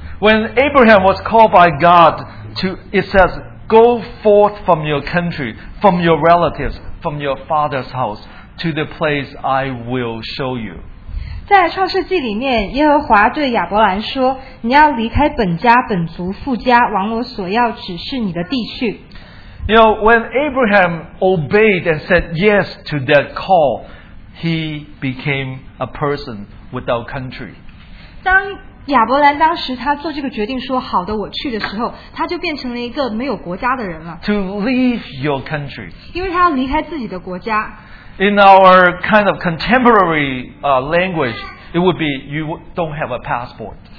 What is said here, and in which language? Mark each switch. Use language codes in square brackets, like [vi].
[en] When Abraham was called by God to, it says, go forth from your country, from your relatives, from your father's house, to the place I will show you. [zh] 在创世纪里面，耶和华对亚伯兰说, 你要离开本家、本族、父家, 王我所要指示你的地区。 [en] You know, when Abraham obeyed and said yes to that call, he became a person without country. [zh] 亚伯兰当时他做这个决定说好的我去的时候，他就变成了一个没有国家的人了。 [en] To leave your country. [zh] 因为他要离开自己的国家。 [en] In our kind of contemporary language, it would be you don't have a passport.